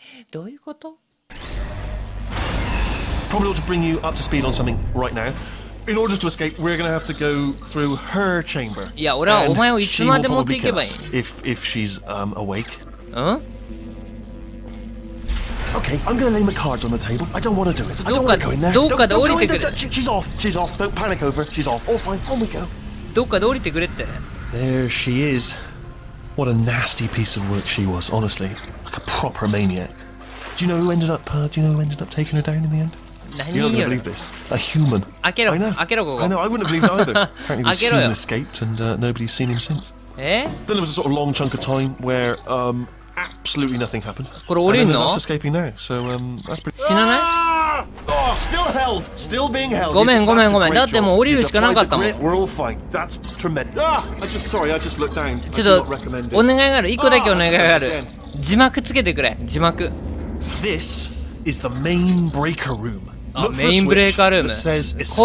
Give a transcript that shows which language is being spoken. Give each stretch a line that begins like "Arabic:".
Japanese: どういうこと？
English: Probably ought to bring you up to speed on something right now. In order to escape, we're gonna have to go through her chamber.
Japanese: いや、俺はお前をいつまで持っていけばいい。
English: If she's awake. Okay, I'm gonna lay my cards on the table. I don't wanna do it. I don't wanna go in there.
Japanese: どっかで降りてくれ。
English: She's off. She's off. Don't panic over. She's off. All fine. On we go.
Japanese: どっかで降りてくれって。
English: There she is. What a nasty piece of work she was, honestly. Like a proper maniac. Do you know who ended up, taking her down in the end? You're not gonna believe this. A human.
Japanese: 開けろ。開けろ、ここ。
English: I know, I wouldn't have believed either. Apparently this human escaped and nobody's seen him since.
Japanese: え?
English: Then there was a sort of long chunk of time where, absolutely nothing happened.
Japanese: これ降りんの?
English: And then there's us escaping now, so, that's pretty...
Japanese: 死なない?
English: Oh, still held! Still being held!
Japanese: ごめん、ごめん、ごめん。だってもう降りるしかなかったもん。
English: We're all fine. That's tremendous. Ah! I just looked down.
Japanese: ちょっと、お願いがある。一個だけお願いがある。字幕つけてくれ。字幕。
English: This is the main breaker room.
Japanese: メインブレーカールーム。